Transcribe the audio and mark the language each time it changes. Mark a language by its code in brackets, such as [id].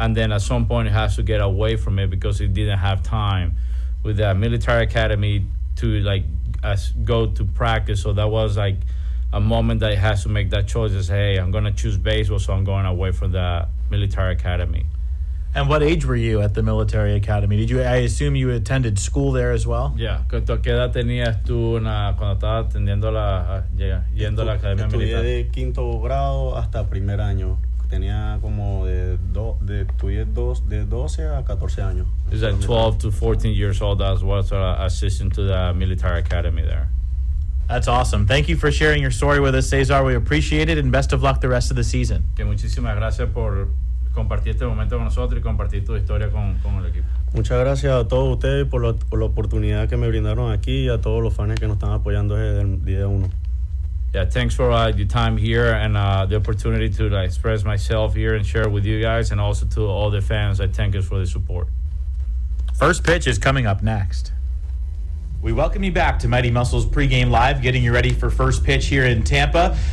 [en] And then at some point, he has to get away from it because he didn't have time with that military academy to like go to practice. So that was like a moment that he has to make that choice. Is, hey, I'm going to choose baseball, so I'm going away from the military academy. And what age were you at the military academy? I assume you attended school there as well? Yeah. [es] ¿Qué edad tenías tú cuando estabas atendiendo yendo a la academia militar? Estudié de quinto grado hasta primer año. Tenía como de 12 a 14 años. [en] Is that 12 to 14 years old as well, so assistant to the military academy there? That's awesome. Thank you for sharing your story with us, Cesar. We appreciate it, and best of luck the rest of the season. [es] Que muchísimas gracias por compartir este momento con nosotros y compartir tu historia con el equipo. Muchas gracias a todos ustedes por la oportunidad que me brindaron aquí y a todos los fans que nos están apoyando desde el día uno. [en] Yeah, thanks for your time here and the opportunity to express myself here and share with you guys, and also to all the fans. I thank you for the support. First pitch is coming up next. We welcome you back to Mighty Muscles Pregame Live, getting you ready for first pitch here in Tampa.